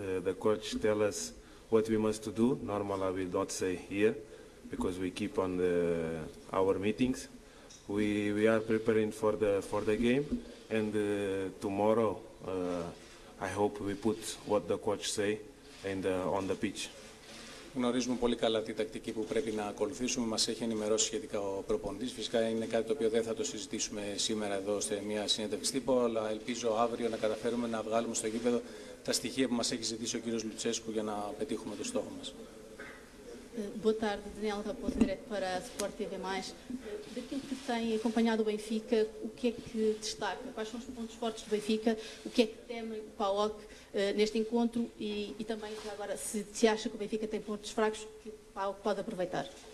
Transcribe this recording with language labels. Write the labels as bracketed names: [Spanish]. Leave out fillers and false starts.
[English] The coach tell us what we must to do. Normally I will not say here because we keep on our meetings. We are preparing for the game, and tomorrow I hope we put what the coach say on the pitch. [Greek] Γνωρίζουμε πολύ καλά τη τακτική που πρέπει να ακολουθήσουμε. Μας έχει ενημερώσει σχετικά ο προπονητής. Φυσικά είναι κάτι το οποίο δεν θα το συζητήσουμε σήμερα εδώ σε μια συνέντευξη τύπου, αλλά ελπίζω αύριο να καταφέρουμε να βγάλουμε στο γήπεδο τα στοιχεία που μας έχει ζητήσει ο κύριος Λουτσέσκου για να πετύχουμε το στόχο μας. [Portuguese] Boa tarde, Daniel Raposo, direto para a Sport TV+. Daquilo que tem acompanhado o Benfica, o que é que destaca? Quais são os pontos fortes do Benfica? O que é que teme o PAOK neste encontro? E também, já agora, se acha que o Benfica tem pontos fracos, que o PAOK pode aproveitar?